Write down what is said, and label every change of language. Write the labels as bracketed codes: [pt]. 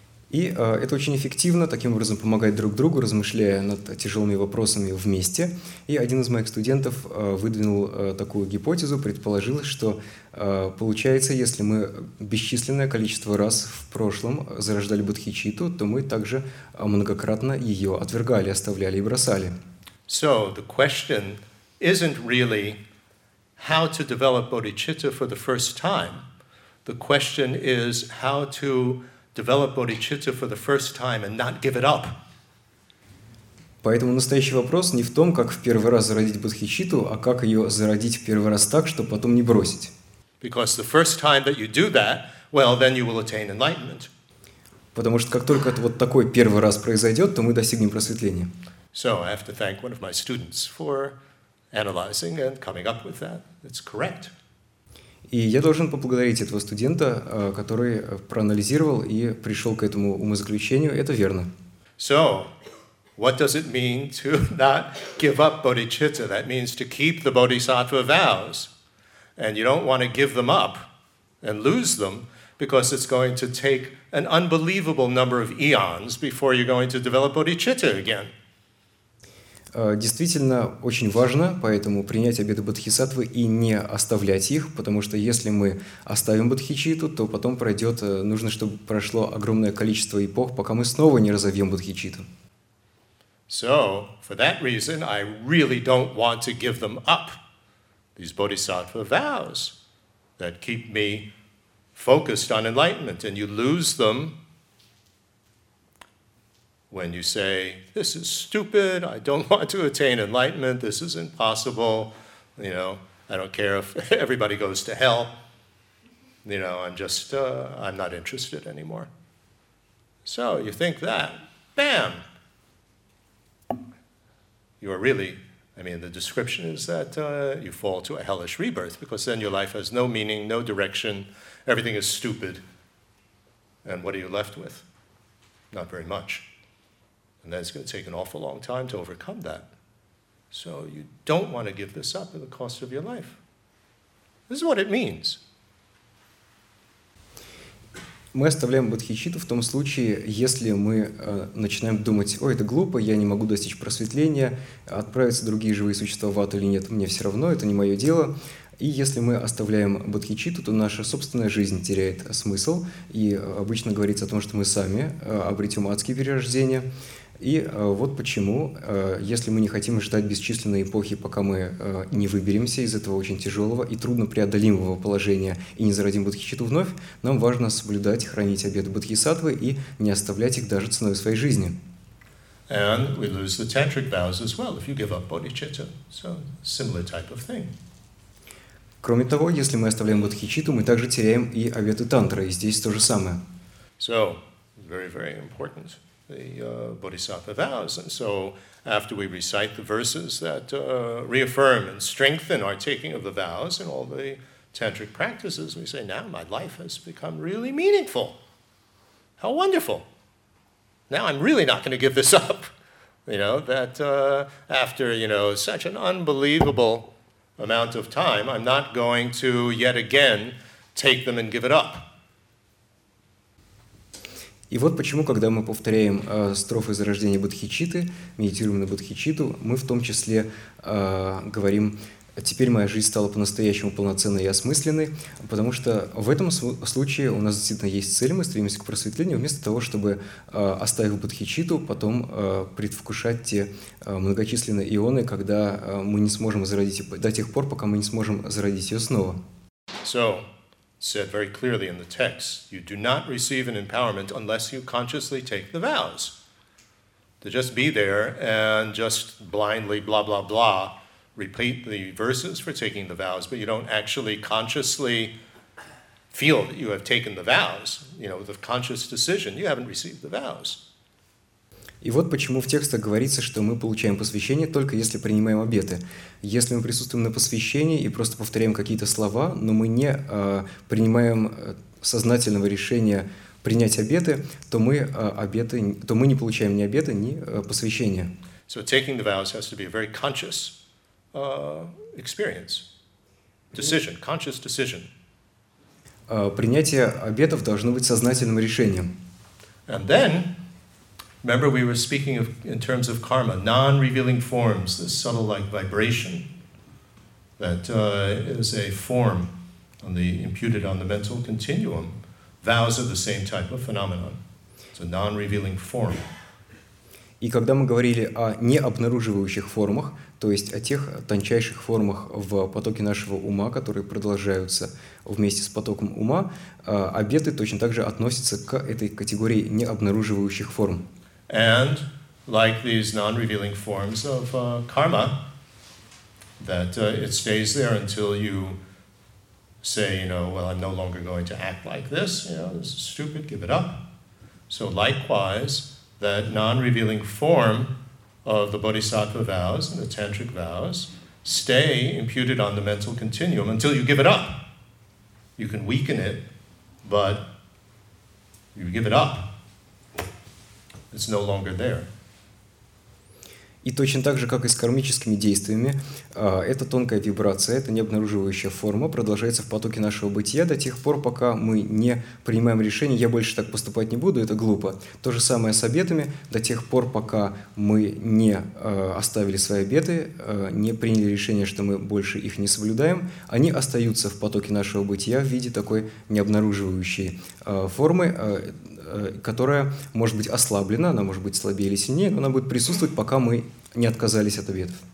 [ru] И это очень эффективно, таким образом помогать друг другу, размышляя над тяжелыми вопросами вместе. И один из моих студентов выдвинул такую гипотезу, предположил, что получается, если мы бесчисленное количество раз в прошлом зарождали бодхичитту, то мы также многократно ее отвергали, оставляли и бросали. [en] So the question isn't really how to develop bodhicitta for the first time. The question is how to develop bodhicitta for the first time and not give it up. [ru] Поэтому настоящий вопрос не в том, как в первый раз зародить бодхичитту, а как ее зародить в первый раз так, чтобы потом не бросить. [en] Because the first time that you do that, well, then you will attain enlightenment. [ru] Потому что как только это вот такой первый раз произойдет, то мы достигнем просветления. [en] So I have to thank one of my students for analyzing and coming up with that. It's correct. [ru] И я должен поблагодарить этого студента, который проанализировал и пришел к этому умозаключению. Это верно. [en] So, what does it mean to not give up bodhicitta? That means to keep the bodhisattva vows. And you don't want to give them up and lose them, because it's going to take an unbelievable number of eons before you're going to develop bodhicitta again. [ru] Действительно очень важно, поэтому принять обеты бодхисаттвы и не оставлять их, потому что если мы оставим бодхичитту, то потом пройдет, нужно, чтобы прошло огромное количество эпох, пока мы снова не разовьем бодхичитту. [en] So, for that reason, I really don't want to give them up, these bodhisattva vows that keep me focused on enlightenment, and you lose them when you say, this is stupid, I don't want to attain enlightenment, this is impossible, you know, I don't care if everybody goes to hell, you know, I'm not interested anymore. So you think that, bam! You are really, I mean, the description is that you fall to a hellish rebirth, because then your life has no meaning, no direction, everything is stupid, and what are you left with? Not very much. And then it's going to take an awful long time to overcome that. So you don't want to give this up at the cost of your life. This is what it means. [ru] Мы оставляем бодхичитту в том случае, если мы начинаем думать, ой, это глупо, я не могу достичь просветления, отправятся другие живые существа в ад или нет, мне все равно, это не мое дело. И если мы оставляем бодхичитту, то наша собственная жизнь теряет смысл. И обычно говорится о том, что мы сами обретем адские перерождения. И вот почему, если мы не хотим ждать бесчисленной эпохи, пока мы не выберемся из этого очень тяжелого и труднопреодолимого положения и не зародим бодхичитту вновь, нам важно соблюдать, хранить обеты бодхисаттвы и не оставлять их даже ценой своей жизни. [en] And we lose the tantric vows as well if you give up bodhicitta. So, similar type of thing. [ru] Кроме того, если мы оставляем бодхичитту, мы также теряем и обеты тантры, и здесь то же самое. [en] So, very, very important. Bodhisattva vows, and so after we recite the verses that reaffirm and strengthen our taking of the vows and all the tantric practices, we say, now my life has become really meaningful. How wonderful. Now I'm really not going to give this up. You know, that after, you know, such an unbelievable amount of time, I'm not going to yet again take them and give it up. [ru] И вот почему, когда мы повторяем строфы зарождения бодхичитты, медитируем на бодхичитту, мы в том числе говорим теперь моя жизнь стала по-настоящему полноценной и осмысленной, потому что в этом случае у нас действительно есть цель, мы стремимся к просветлению, вместо того, чтобы, оставив бодхичитту, потом предвкушать те многочисленные ионы, когда мы не сможем зародить ее, до тех пор, пока мы не сможем зародить ее снова. [en] So, said very clearly in the text, you do not receive an empowerment unless you consciously take the vows. To just be there and just blindly blah, blah, blah, repeat the verses for taking the vows, but you don't actually consciously feel that you have taken the vows, you know, with a conscious decision, you haven't received the vows. [ru] И вот почему в текстах говорится, что мы получаем посвящение только если принимаем обеты. Если мы присутствуем на посвящении и просто повторяем какие-то слова, но мы не принимаем сознательного решения принять обеты, то мы обеты, то мы не получаем ни обеты, ни посвящения. [en] So taking the vows has to be a very conscious experience. Decision, conscious decision. [ru] Принятие обетов должно быть сознательным решением. [en] And then, remember we were speaking of, in terms of karma, non-revealing forms, this subtle-like vibration that is a form on the, imputed on the mental continuum. Vows are the same type of phenomenon. It's a non-revealing form. [ru] И когда мы говорили о необнаруживающих формах, то есть о тех тончайших формах в потоке нашего ума, которые продолжаются вместе с потоком ума, обеты точно так же относятся к этой категории необнаруживающих форм. [en] And like these non-revealing forms of karma, that it stays there until you say, you know, well, I'm no longer going to act like this, you know, this is stupid, give it up. So likewise, that non-revealing form of the bodhisattva vows and the tantric vows stay imputed on the mental continuum until you give it up. You can weaken it, but you give it up. It's no longer there. [ru] И точно так же, как и с кармическими действиями, эта тонкая вибрация, эта необнаруживающая форма продолжается в потоке нашего бытия до тех пор, пока мы не принимаем решение «я больше так поступать не буду, это глупо». То же самое с обетами, до тех пор, пока мы не оставили свои обеты, не приняли решение, что мы больше их не соблюдаем, они остаются в потоке нашего бытия в виде такой необнаруживающей формы, которая может быть ослаблена, она может быть слабее или сильнее, но она будет присутствовать, пока мы не отказались от обетов.